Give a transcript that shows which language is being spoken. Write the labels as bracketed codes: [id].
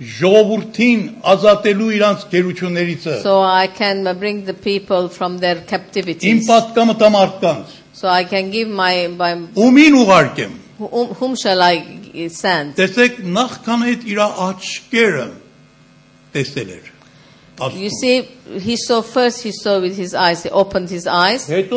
[hy] Ժողովրդին ազատելու իրանց գերություններից. [en] So I can bring the people from their captivities. [hy] Իմ պատկամը տամարդկանց. [en] So I can give my [hy] Ումին ուղարկեմ? [en] Whom shall I send? [hy] Տեսեք նախքան այդ իր աչքերը տեսել էր. [en] You see, he saw first, he saw with his eyes, he opened his eyes.